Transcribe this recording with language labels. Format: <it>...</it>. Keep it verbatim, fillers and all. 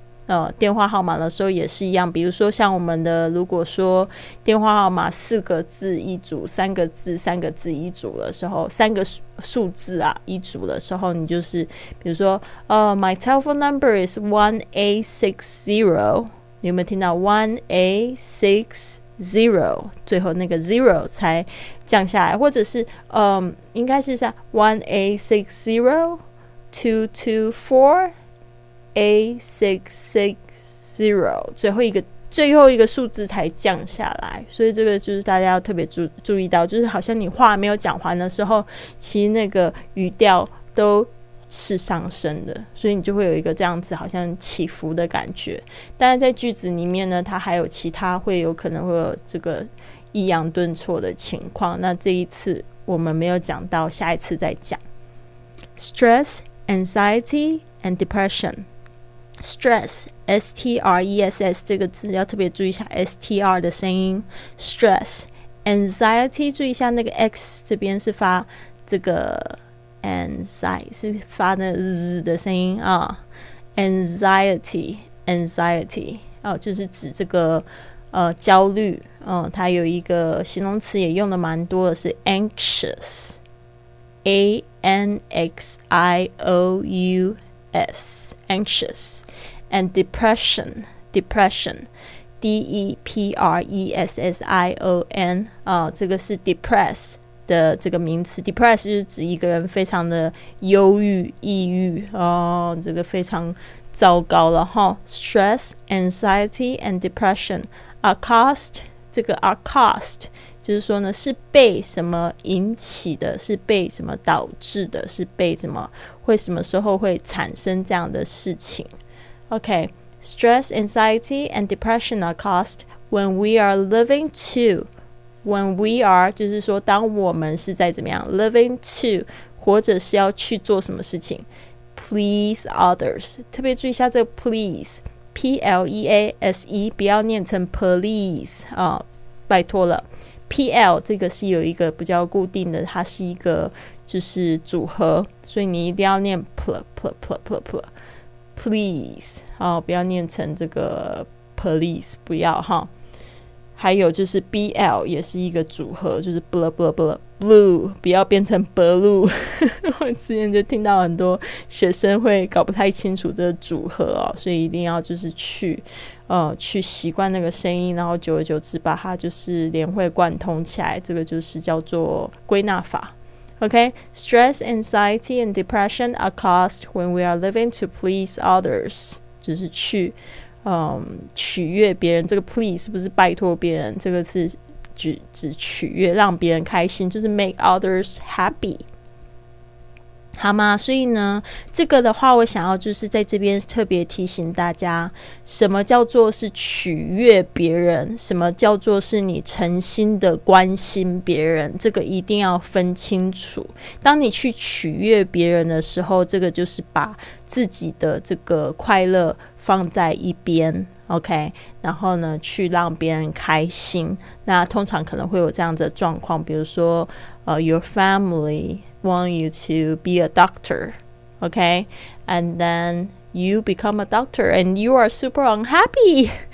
<zh>呃，电话号码的时候也是一样，比如说像我们的，如果说电话号码四个字一组，三个字三个字一组的时候，三个数字啊一组的时候，你就是比如说，呃、uh, ，</zh> <en>my telephone number is one eight six zero，</en> <zh>你有没有听到 one eight six zero？最后那个 zero 才降下来，或者是嗯， um, 应该是像</zh> <en>one eight six zero two two four。</en> <zh>A six six zero 最后一个最后一个数字才降下来，所以这个就是大家要特别 注, 注意到，就是好像你话没有讲完的时候，其实那个语调都是上升的，所以你就会有一个这样子好像起伏的感觉。当然在句子里面呢，它还有其他会有可能会有这个抑扬顿挫的情况，那这一次我们没有讲到，下一次再讲。</zh> <en>Stress, anxiety and depression.</en> <zh>Stress, S T R E S S 这个字要特别注意一下 S T R 的声音。 Stress, anxiety 注意一下那个 X 这边是发这个 anxiety 是发那 Z 的声音啊。 Anxiety, anxiety 哦，就是指这个呃焦虑、嗯、它有一个形容词也用的蛮多的是 anxious A N X I O U S anxious and depression depression D E P R E S S I O N 啊，这个是 depress 的这个名词 depressed 就是指一个人非常的忧郁、抑郁哦，这个非常糟糕了哈。</zh> <en>Stress, anxiety and depression are caused</en> <zh>这个 are caused 就是说呢是被什么引起的，是被什么导致的，是被什么会什么时候会产生这样的事情。</zh> <en>OK, stress, anxiety and depression are caused when we are living to.</en> <zh>When we are 就是说当我们是在怎么样 living to 或者是要去做什么事情 please others， 特别注意一下这个 please P L E A S E 不要念成 police、啊、拜托了 P L 这个是有一个比较固定的，它是一个就是组合，所以你一定要念 pl pl pl pl pl please、啊、不要念成这个 police 不要哈。还有就是 B L 也是一个组合，就是 blah blah blah blue 不要变成 blue 我之前就听到很多学生会搞不太清楚这个组合哦，所以一定要就是去呃去习惯那个声音，然后久而久之把它就是连会贯通起来，这个就是叫做归纳法。</zh> <en>OK, stress, anxiety and depression are caused when we are living to please others</en> <zh>就是去嗯，取悦别人，这个 please 不是拜托别人，这个是指指取悦，让别人开心，就是</zh> <en>make others happy，</en> <zh>好吗？所以呢，这个的话，我想要就是在这边特别提醒大家，什么叫做是取悦别人，什么叫做是你诚心的关心别人，这个一定要分清楚。当你去取悦别人的时候，这个就是把自己的这个快乐放在一边 OK 然后呢去让别人开心，那通常可能会有这样子的状况，比如说、uh,</zh> <en>Your family want you to be a doctor OK and then you become a doctor and you are super unhappy</en>